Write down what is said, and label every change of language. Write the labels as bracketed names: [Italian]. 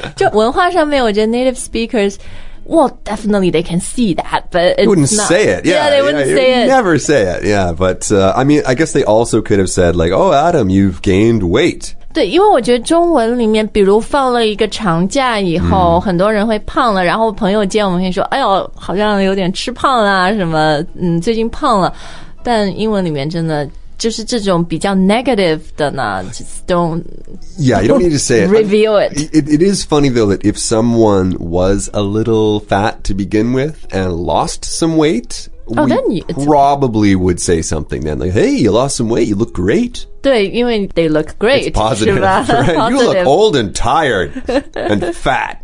[Chinese] 就文化上面我觉得 [English] native speakers, well, definitely they can see that, but they wouldn't say it. Yeah, they wouldn't say it. Never say it, yeah, but I mean, I guess they also could have said like, oh, Adam, you've gained weight. [Chinese] 对因为我觉得中文里面比如放了一个长假以后、很多人会胖了然后朋友见我们会说哎呦好像有点吃胖啦什么最近胖了但英文里面真的就是这种比较 negative 的呢 [English] just don't Yeah, you don't need to say it. Reveal it. It is funny though that if someone was a little fat to begin with and lost some weightWe probably would say something then, like, hey, you lost some weight, you look great. [Chinese] 对因为 [English] they look great. It's positive, right? You look old and tired and fat.